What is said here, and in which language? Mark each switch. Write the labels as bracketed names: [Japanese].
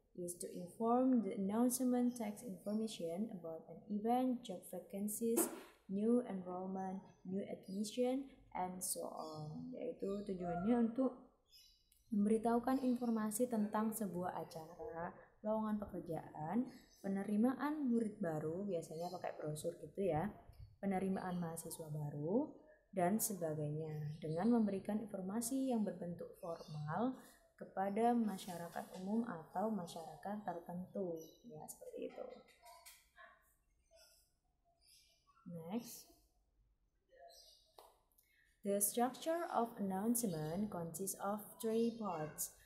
[English] is to inform the announcement text information about an event, job vacancies, new enrollment, new admission, and so on. [Indonesian] Yaitu tujuannya untuk memberitahukan informasi tentang sebuah acara, lowongan pekerjaan, penerimaan murid baru, biasanya pakai brosur gitu ya, penerimaan mahasiswa baru, dan sebagainya, dengan memberikan informasi yang berbentuk formal kepada masyarakat umum atau masyarakat tertentu, ya seperti itu. [English] Next, the structure of announcement consists of three parts.